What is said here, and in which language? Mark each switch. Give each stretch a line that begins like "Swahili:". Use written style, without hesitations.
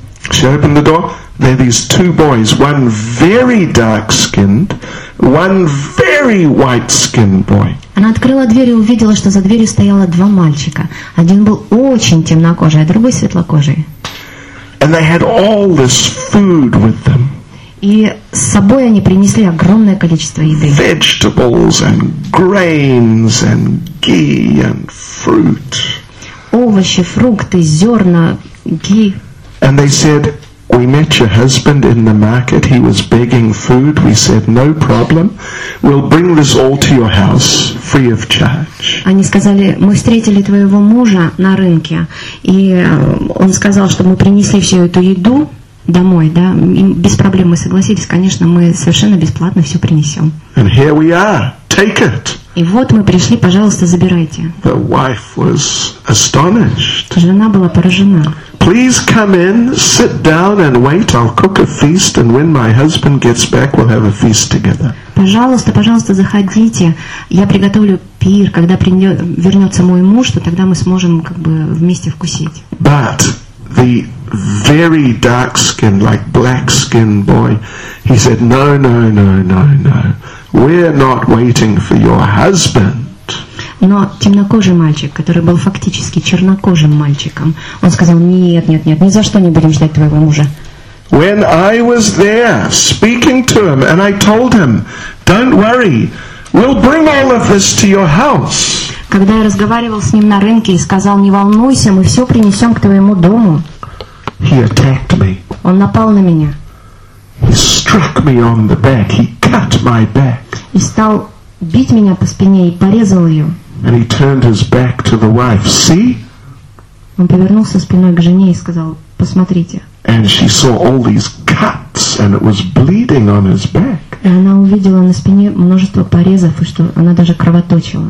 English: She opened the door. There are these two boys, one very dark-skinned, one very white-skinned boy.
Russian: Она открыла дверь и увидела, что за дверью стояло два мальчика. Один был очень темнокожий, а другой светлокожий.
English: And they had all this food with them.
Russian: И с собой они принесли огромное количество еды.
English: Vegetables and grains and ghee and fruit.
Russian: Овощи, фрукты, зерна, ги.
English: And they said, we met your husband in the market, he was begging food. We said, no problem, we'll bring this all to your house, free of charge.
Russian: Они сказали, мы встретили твоего мужа на рынке, и он сказал, что мы принесли всю эту еду домой, да, и без проблем мы согласились, конечно, мы совершенно бесплатно все принесем.
English: And here we are, take it.
Russian: И вот мы пришли, пожалуйста, забирайте.
English: The wife was astonished.
Russian: Жена была поражена.
English: Please come in, sit down and wait. I'll cook a feast, and when my husband gets back, we'll have a feast together.
Russian: Пожалуйста, пожалуйста, заходите. Я приготовлю пир, когда вернется мой муж, то тогда мы сможем как бы вместе вкусить.
English: But the very dark-skinned, like black-skinned boy, he said, "No, no, no, no, no. We're not waiting for your husband."
Russian: Но темнокожий мальчик, который был фактически чернокожим мальчиком, он сказал, нет, нет, нет, ни за что не будем ждать твоего мужа.
English: When I was there speaking to him and I told him, don't worry, we'll bring all of this to your house.
Russian: Когда я разговаривал с ним на рынке и сказал, не волнуйся, мы все принесем к твоему дому.
English: He attacked me.
Russian: Он напал на меня.
English: He struck me on the back. He cut my back.
Russian: И стал бить меня по спине и порезал ее.
English: And he turned his back to the wife. See?
Russian: Он повернулся спиной к жене и сказал, посмотрите.
English: And she saw all these cuts and it was bleeding on his back.
Russian: И она увидела на спине множество порезов, и что она даже кровоточила.